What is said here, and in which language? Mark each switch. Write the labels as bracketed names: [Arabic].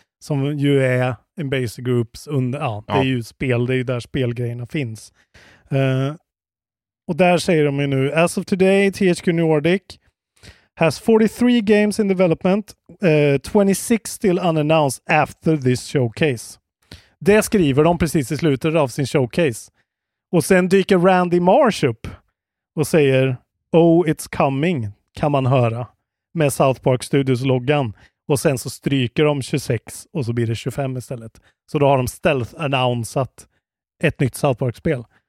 [Swedish] Som ju är en basic groups under... Ja, det är ju spel. Det är ju där spelgrejerna finns. Och där säger de ju nu... [English] As of today, THQ Nordic has 43 games in development. 26 still unannounced after this showcase. [Swedish] Det skriver de precis i slutet av sin showcase. Och sen dyker Randy Marsh upp och säger... [English] Oh, it's coming, [Swedish] kan man höra. Med South Park Studios-loggan. Och sen så stryker de 26 och så blir det 25 istället. Så då har de stealth-annonsat ett nytt South Park-spel.